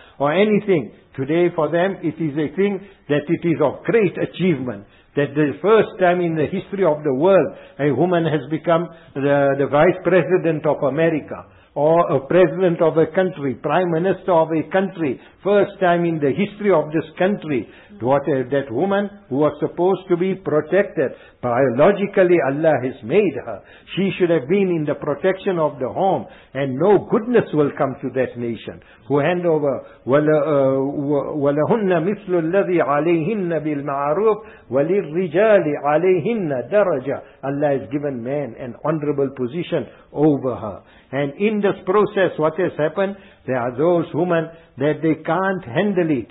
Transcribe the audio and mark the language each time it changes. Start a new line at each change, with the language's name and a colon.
English: or anything, today for them it is a thing that it is of great achievement, that the first time in the history of the world, a woman has become the vice president of America, or a president of a country, prime minister of a country, first time in the history of this country, that woman who was supposed to be protected, biologically Allah has made her. She should have been in the protection of the home, and no goodness will come to that nation. Who hand over,
Arabic: وَلَهُنَّ مِثْلُ الَّذِي عَلَيْهِنَّ بِالْمَعَرُوفِ وَلِلْرِجَالِ عَلَيْهِنَّ دَرَجَةً.
English: Allah has given man an honorable position over her. And in this process, what has happened? There are those women that they can't handle it.